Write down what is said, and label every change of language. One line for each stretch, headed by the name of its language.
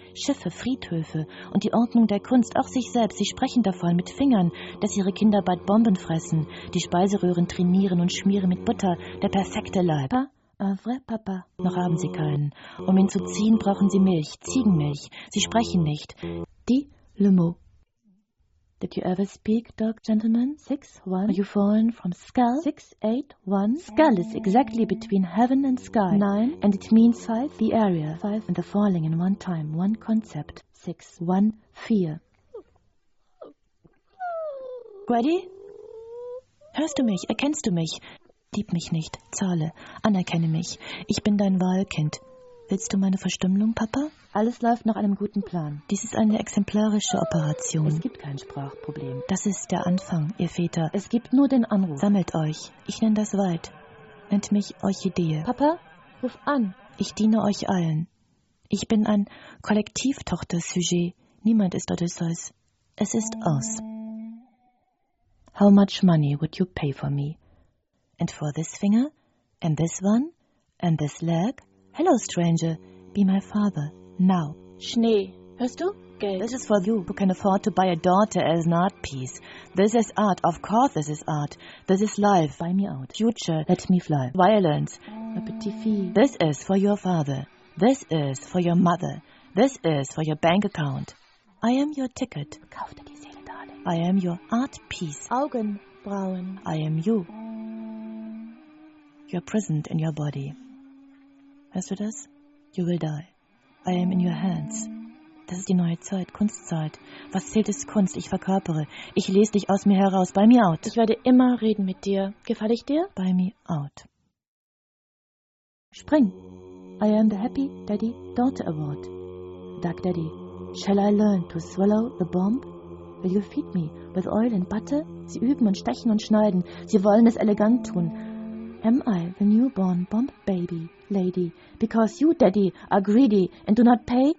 German: Schiffe, Friedhöfe und die Ordnung der Kunst, auch sich selbst. Sie sprechen davon mit Fingern, dass ihre Kinder bald Bomben fressen, die Speiseröhren trainieren und schmieren mit Butter. Der perfekte Leib.
French: Pa? Un vrai papa.
German: Noch haben sie keinen. Um ihn zu ziehen, brauchen sie Milch, Ziegenmilch. Sie sprechen nicht.
French: Die, le mot.
English: Did you ever speak, dog gentleman? 6-1. Are you fallen from skull? 6-8-1. Skull is exactly between heaven and sky. 9. And it means 5. The area. 5. And the falling in one time, one concept. 6-1-4.
German: Ready? Hörst du mich? Erkennst du mich? Lieb mich nicht, zahle, anerkenne mich. Ich bin dein Wahlkind. Willst du meine Verstümmelung, Papa? Alles läuft nach einem guten Plan. Dies ist eine exemplarische Operation. Es gibt kein Sprachproblem. Das ist der Anfang, ihr Väter. Es gibt nur den Anruf. Sammelt euch. Ich nenne das Wald. Nennt mich Orchidee. Papa, ruf an. Ich diene euch allen. Ich bin ein Kollektivtochter-Sujet. Niemand ist Odysseus. Es ist aus.
English: How much money would you pay for me? And for this finger? And this one? And this leg? Hello, stranger. Be my father. Now.
German: Schnee. Hörst du? Geld.
English: This is for you, who can afford to buy a daughter as an art piece. This is art. Of course this is art. This is life. Buy me out. Future. Let me fly. Violence. A petit fee. This is for your father. This is for your mother. This is for your bank account. I am your ticket.
German: Kauf dir die Seele, darling.
English: I am your art piece.
German: Augenbrauen.
English: I am you. You are prisoned in your body.
German: Hörst du das?
English: You will die. I am in your hands.
German: Das ist die neue Zeit, Kunstzeit. Was zählt ist Kunst, ich verkörpere. Ich lese dich aus mir heraus,
English: buy me out.
German: Ich werde immer reden mit dir. Gefall ich dir?
English: Buy me out. Spring. I am the Happy Daddy Daughter Award. Duck Daddy, shall I learn to swallow the bomb? Will you feed me with oil and butter?
German: Sie üben und stechen und schneiden. Sie wollen es elegant tun.
English: Am I the newborn bomb baby, lady? Because you, daddy, are greedy and do not pay?